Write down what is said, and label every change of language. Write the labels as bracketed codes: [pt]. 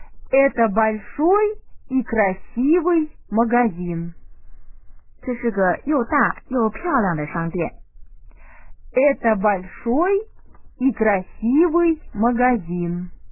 [ru] Это большой и красивый магазин. [zh] 这是个又大又漂亮的商店. [ru] Это большой и красивый магазин.